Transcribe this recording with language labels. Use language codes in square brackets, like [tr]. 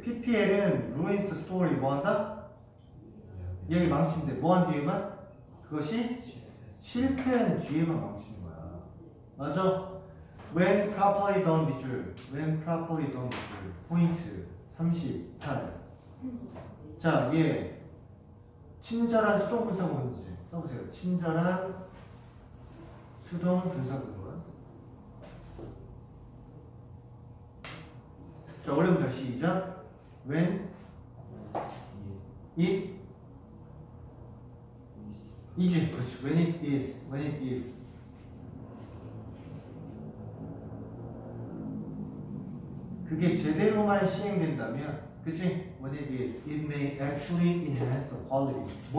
[en] PPL은 ruins the story [ko] 뭐한다? 여기 망치는데 뭐한 뒤에만? 그것이 실패한 뒤에만 망치는 거야. 맞아? [en] When properly done 밑줄. When properly done 밑줄. [ko] 포인트 38. 자, 얘 친절한 수동분사 뭔지 써보세요. 친절한 수동분사구. 자, 어려운 거 시작. [en] When it is. [ko] 그렇지. [en] When it is. When it is. [ko] 그게 제대로만 시행된다면, 그치? [en] When it is. It may actually enhance the quality.